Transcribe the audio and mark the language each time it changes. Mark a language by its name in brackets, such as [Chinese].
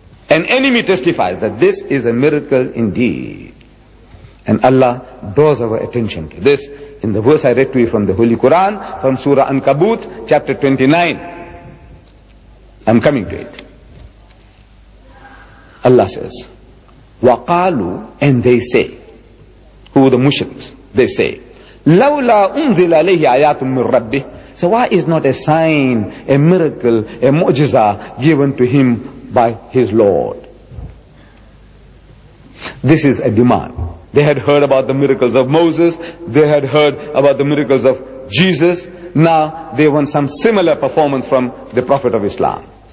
[English] An enemy testifies that this is a miracle indeed. And Allah draws our attention to this in the verse I read to you from the Holy Quran, from Surah Ankabut, chapter 29. I'm coming to it. Allah says, وَقَالُوا, and they say, who are the Muslims? [Arabic] They say, لَوْلَا أُنزِلَ عَلَيْهِ آيَاتٌ مِّن رَبِّهِ. [English] So why is not a sign, a miracle, a mu'jiza given to him by his Lord? This is a demand. They had heard about the miracles of Moses. They had heard about the miracles of Jesus. Now they want some similar performance from the Prophet of Islam.